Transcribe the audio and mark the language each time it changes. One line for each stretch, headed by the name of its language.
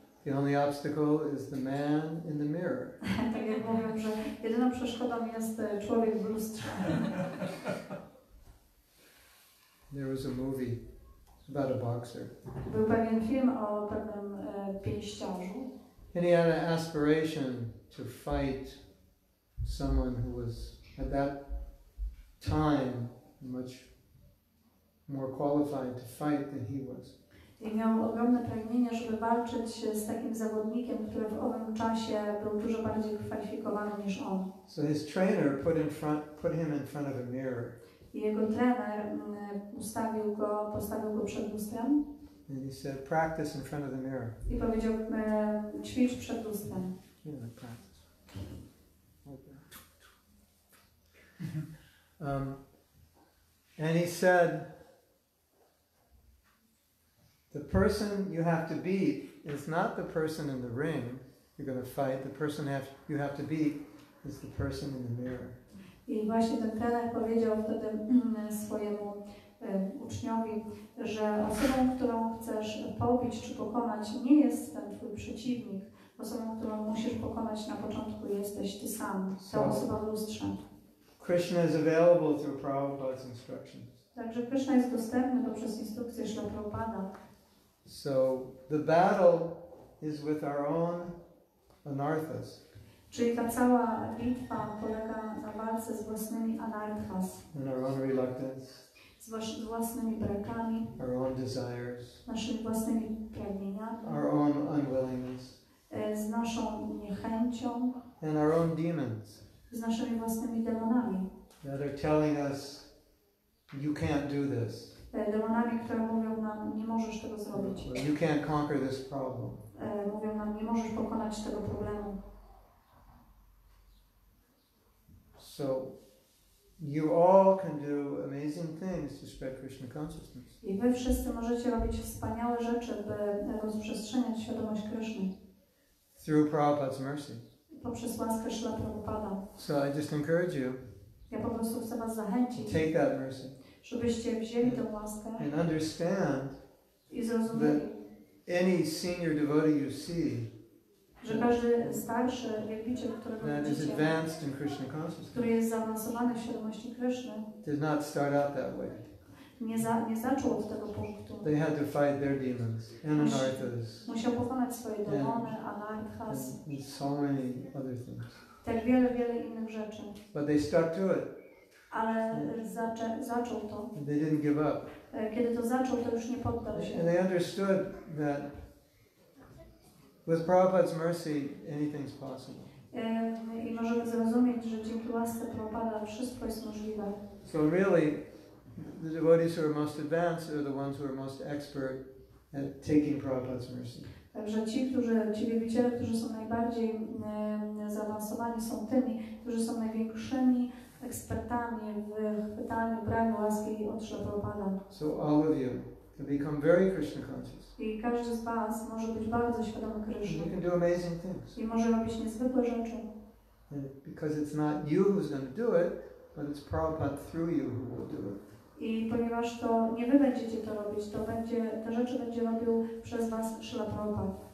English: the only obstacle is the man in the mirror.
Polish: Tak jak mówią, że jedyną przeszkodą jest człowiek w lustrze.
English: There was a movie about a boxer.
Polish: Był pewien film o pewnym pięściarzu.
English: And he had an aspiration to fight someone who was at that time much more qualified to fight than he was.
Polish: I miał ogromne pragnienie, żeby walczyć z takim zawodnikiem, który w owym czasie był dużo bardziej kwalifikowany niż on.
English: So his trainer put him in front of a mirror.
Polish: I jego trener postawił go przed lustrem.
English: And he said, practice in front of the mirror.
Polish: I powiedział, ćwicz przed lustrem.
English: Yeah, practice. and he said, the person you have to beat is not the person in the ring you're going to fight. The person you have to beat is the person in the mirror.
Polish: I właśnie ten trener powiedział wtedy swojemu uczniowi, że osobą, którą chcesz pobić czy pokonać, nie jest ten twój przeciwnik. Osobą, którą musisz pokonać na początku, jesteś ty sam, ta osoba w lustrze.
English: Krishna is available through Prabhupada's instructions.
Polish: Także Krishna jest dostępny poprzez instrukcje Śrila Prabhupada.
English: So the battle is with our own anarthas.
Polish: Czyli ta cała bitwa polega na walce z własnymi anarthas.
English: And our own reluctance.
Polish: Z własnymi brakami.
English: Our own desires.
Polish: Naszymi własnymi pragnieniami.
English: Our own unwillingness.
Polish: Z naszą niechęcią.
English: And our own demons.
Polish: Z naszymi własnymi demonami.
English: That are telling us, you can't do this.
Polish: Demonami, które mówią nam, nie możesz tego zrobić.
English: You can't conquer this problem.
Polish: Mówią nam, nie możesz pokonać tego problemu.
English: So, you all can do amazing things to spread Krishna consciousness.
Polish: I wy wszyscy możecie robić wspaniałe rzeczy, by rozprzestrzeniać świadomość Krishny.
English: Through Prabhupada's mercy.
Polish: Poprzez łaskę Śrila Prabhupada.
English: So I just encourage you.
Polish: Ja po prostu chcę was zachęcić.
English: Take that mercy.
Polish: Żebyście wzięli tę łaskę.
English: And understand.
Polish: I zrozumieli.
English: That any senior devotee you see.
Polish: Że każdy starszy wielbiciel, którego
English: that
Polish: widzicie,
English: is advanced in Krishna consciousness.
Polish: Który jest zaawansowany w świadomości Krishna.
English: Did not start out that way.
Polish: Nie zaczął od tego punktu.
English: They had to fight their demons and anarthas.
Polish: Musiał pokonać swoje demony, anarthas.
English: And so many other things.
Polish: Tak wiele, wiele innych rzeczy.
English: But they stuck to it.
Polish: Ale zaczął to.
English: And they didn't give up.
Polish: Kiedy to zaczął, to już nie poddał się.
English: And they understood that with Prabhupada's mercy, anything's possible.
Polish: I możemy zrozumieć, że dzięki łasce Prabhupada wszystko jest możliwe.
English: So really, the devotees who are most advanced are the ones who are most expert at taking Prabhupada's mercy.
Polish: Także ci wielbiciele, którzy są najbardziej zaawansowani, są tymi, którzy są największymi ekspertami w chwytaniu, braniu łaski od Śrila Prabhupada.
English: So all of you can become very Krishna conscious.
Polish: I każdy z was może być bardzo świadomy Krishna.
English: You can do amazing things.
Polish: I może robić niezwykłe rzeczy.
English: Because it's not you who's going to do it, but it's Prabhupada through you who will do it.
Polish: I ponieważ to nie wy będziecie to robić, to będzie, te rzeczy będzie robił przez was Śrila Prabhupada.